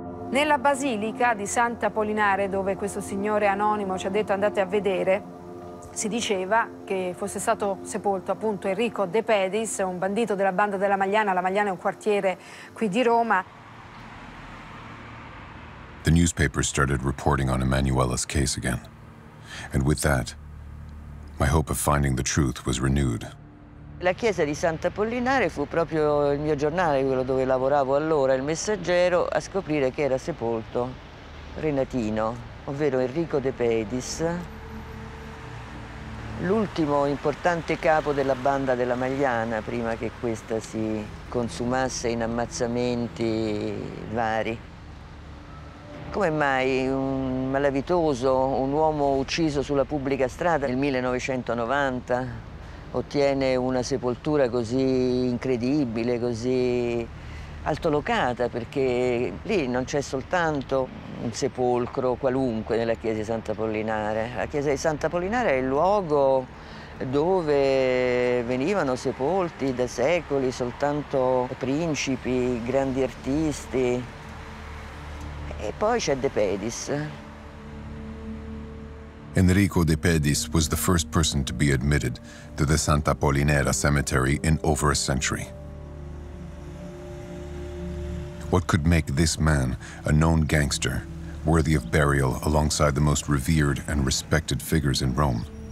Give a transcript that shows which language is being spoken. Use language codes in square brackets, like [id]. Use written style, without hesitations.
[it] Nella Basilica di Santa Apollinare, dove questo signore anonimo ci ha detto andate a vedere, si diceva che fosse stato sepolto appunto Enrico De Pedis, un bandito della banda della Magliana. La Magliana è un quartiere qui di Roma. [en] The newspapers started reporting on Emanuela's case again. And with that, my hope of finding the truth was renewed. [it] La chiesa di Santa Apollinare fu proprio il mio giornale, quello dove lavoravo allora, il Messaggero, a scoprire che era sepolto Renatino, ovvero Enrico De Pedis, l'ultimo importante capo della banda della Magliana, prima che questa si consumasse in ammazzamenti vari. Come mai un malavitoso, un uomo ucciso sulla pubblica strada nel 1990, ottiene una sepoltura così incredibile, così altolocata? Perché lì non c'è soltanto un sepolcro qualunque nella chiesa di Santa Apollinare. La chiesa di Santa Apollinare è il luogo dove venivano sepolti da secoli soltanto principi, grandi artisti. E poi c'è De Pedis. [en] Enrico De Pedis was the first person to be admitted to the Santa Apollinare cemetery in over a century. What could make this man, a known gangster, worthy of burial alongside the most revered and respected figures in Rome?